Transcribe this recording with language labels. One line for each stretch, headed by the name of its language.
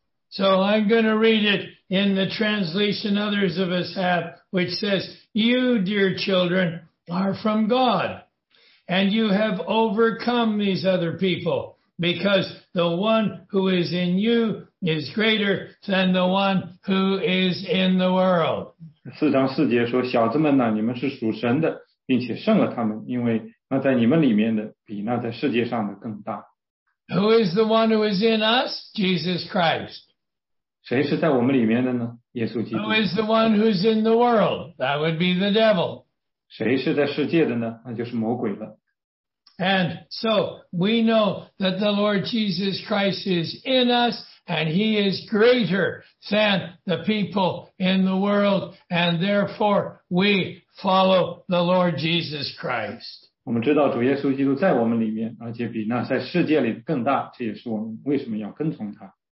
English: So I'm going to read it in the translation others of us have, which says, you, dear children, are from God, and you have overcome these other people, because the one who is in you is greater than the one who is in the world.
Chinese: 4章4节说, 小子们啊, 你们是属神的, 并且胜了他们, 因为那在你们里面的比那在世界上的更大。
English: Who is the one who is in us? Jesus Christ.
Chinese: 谁是在我们里面的呢?耶稣基督。
English: Who is the one who's in the world? That would be the devil.
Chinese: 谁是在世界的呢?那就是魔鬼了。
English: And so we know that the Lord Jesus Christ is in us, and he is greater than the people in the world, and therefore we follow the Lord Jesus Christ.
Chinese: 我们知道主耶稣基督在我们里面，而且比那在世界里更大，这也是我们为什么要跟从他。